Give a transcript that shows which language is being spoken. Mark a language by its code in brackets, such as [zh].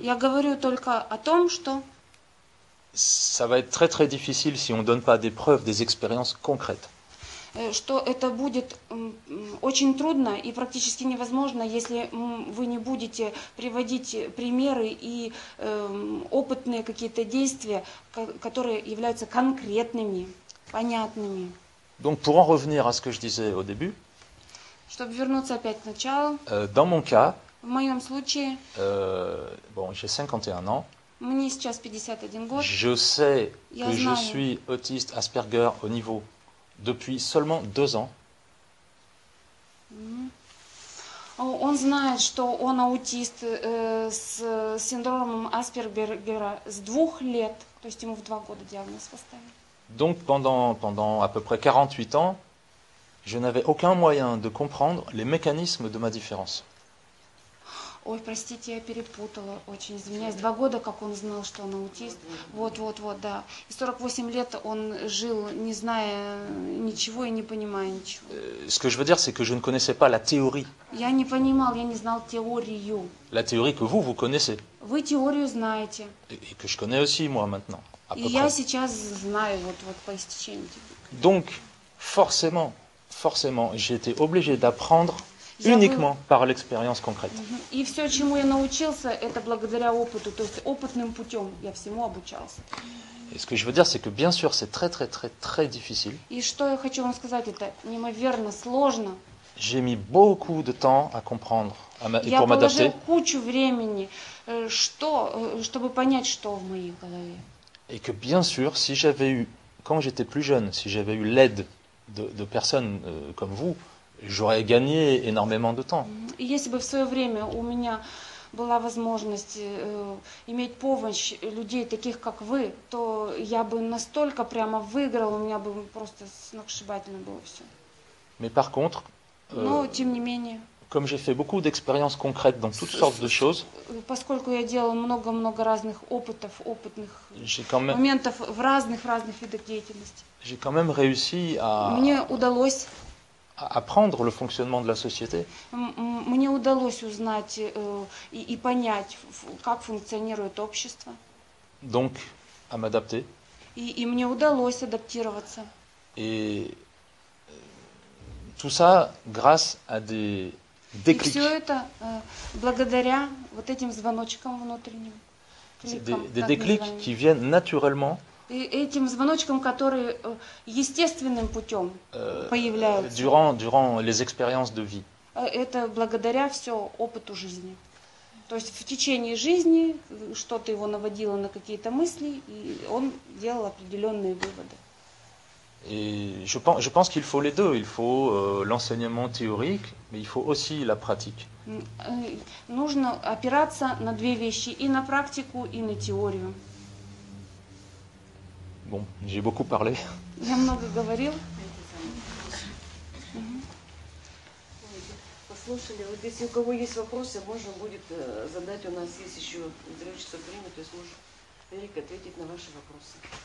[ru] Я говорю только о том, что... [fr] Ça va être très très difficile si on ne donne pas des preuves, des expériences concrètes. [ru] Что это будет очень трудно и практически невозможно, если вы не будете приводить примеры и опытные какие-то действия, которые являются конкретными, понятными. [fr] Donc pour en revenir à ce que je disais au début. [ru] Чтобы вернуться опять к началу. [fr] Dans mon cas. [ru] В моем случае. [fr] Bon, j'ai 51 ans. [ru] Мне сейчас 51 год. [fr] Je sais que je suis autiste Asperger au niveau depuis seulement 2 ans. [ru] Он знает, что он аутист с синдромом Аспергера с 2 лет, то есть ему в 2 года диагноз поставили. [fr] Donc pendant à peu près 48 ans, je n'avais aucun moyen de comprendre les mécanismes de ma différence. [ru] Ой, простите, я перепутала. Очень извиняюсь. 2 года, как он знал, что он аутист. Вот, да. И 48 лет он жил, не зная ничего и не понимая ничего. [fr] Ce que je veux dire, c'est que je ne connaissais pas la théorie. [ru] Я не понимал, я не знал теорию. [fr] La théorie que vous connaissez. [ru] Вы теорию знаете. [fr] Et que je connais aussi moi maintenant. [ru] И я сейчас знаю вот по истечению. [fr] Donc, forcément, j'ai été obligé d'apprendre. Uniquement par l'expérience concrète. [ru] И все, чему я научился, это благодаря опыту, то есть опытным путем я всему обучался. [fr] Et ce que je veux dire, c'est que bien sûr, c'est très, très, très, très difficile. [ru] И что я хочу вам сказать, это неимоверно сложно. [fr] J'ai mis beaucoup de temps à comprendre et pour m'adapter. [ru] Я положил кучу времени, чтобы понять, что в моей голове. [fr] Et que bien sûr, si j'avais eu, quand j'étais plus jeune, si j'avais eu l'aide de personnes comme vous. J'aurais gagné énormément de temps. [ru] Если бы в свое время у меня была возможность иметь помощь людей таких как вы, то я бы настолько прямо выиграл, у меня бы просто сногсшибательно было все. [fr] Mais par contre, [ru] но тем не менее, [fr] comme j'ai fait beaucoup d'expériences concrètes dans toutes sortes de choses, [ru] поскольку я делал много разных опытов, опытных моментов в разных видах деятельности, [fr] j'ai quand même réussi à. [ru] Мне удалось. [fr] Apprendre le fonctionnement de la société. [ru] Мне удалось узнать и понять, как функционирует общество. [fr] Donc, à m'adapter. [ru] И мне удалось адаптироваться. [fr] Et tout ça grâce à des déclics. [ru] И все это благодаря вот этим звоночкам внутренним. [fr] Des déclics qui viennent naturellement. [ru] И этим звоночком, который естественным путем появляется. [fr] Durant les expériences de vie. [ru] Это благодаря все опыту жизни. То есть в течение жизни что-то его наводило на какие-то мысли, и он делал определенные выводы. [fr] Et je pense qu'il faut les deux. Il faut l'enseignement théorique, mais il faut aussi la pratique. [ru] Нужно опираться на две вещи, и на практику, и на теорию. [fr] Bon, j'ai beaucoup parlé. [ru] Я много говорил. Послушали. Вот если у кого есть вопросы, можно будет задать. У нас есть еще 3 часа времени, то есть можешь Эрик ответить на ваши вопросы.